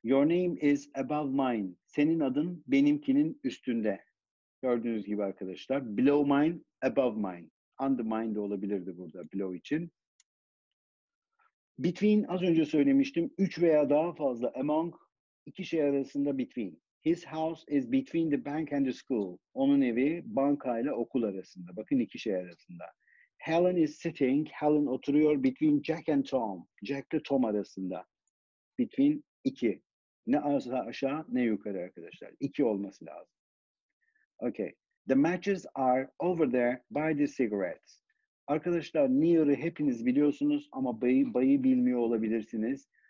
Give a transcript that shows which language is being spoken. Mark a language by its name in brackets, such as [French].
[English] Your name is above mine. [Turkish] Senin adın benimkinin üstünde. Gördüğünüz gibi arkadaşlar. [English] Below mine, above mine. Under mine [Turkish] de olabilirdi burada below için. Between az önce söylemiştim. Üç veya daha fazla among iki şey arasında between. [English] His house is between the bank and the school. [Turkish] Onun evi banka ile okul arasında. Bakın iki şey arasında. [English] Helen is sitting. [Turkish] Helen oturuyor [English] between Jack and Tom. [Turkish] Jack ile Tom arasında. Between iki. Ne az aşağı ne yukarı arkadaşlar. İki olması lazım. [English] Okay. The matches are over there by the cigarettes. [Turkish] Arkadaşlar near'ı hepiniz biliyorsunuz ama bayı bilmiyor olabilirsiniz.